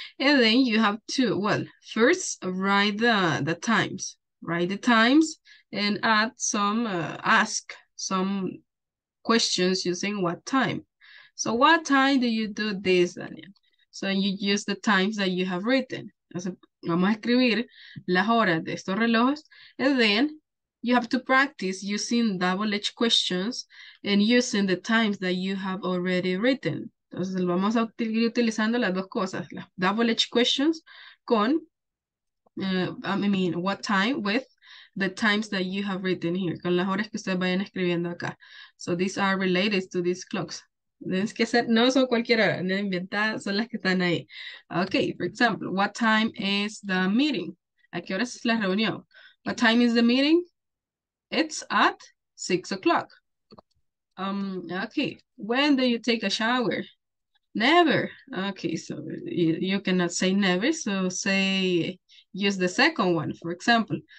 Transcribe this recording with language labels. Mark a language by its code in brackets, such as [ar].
[en] And then you have to, well, first write the times. Write the times and add some, ask some questions using what time. So what time do you do this, Daniel? So you use the times that you have written. [es] Vamos a escribir las horas de estos relojes. [en] And then you have to practice using double-edged questions and using the times that you have already written. [es] Entonces, vamos a seguir utilizando las dos cosas, las double-edged questions con, [en] what time with the times that you have written here, [es] con las horas que ustedes vayan escribiendo acá. [en] So, these are related to these clocks. [es] Tienes que hacer, no son cualquiera, no inventadas, son las que están ahí. [en] Okay, for example, what time is the meeting? [es] ¿A qué hora es la reunión? [en] What time is the meeting? It's at 6 o'clock. Okay, when do you take a shower? Never. Okay, so you cannot say never, so say, use the second one, for example.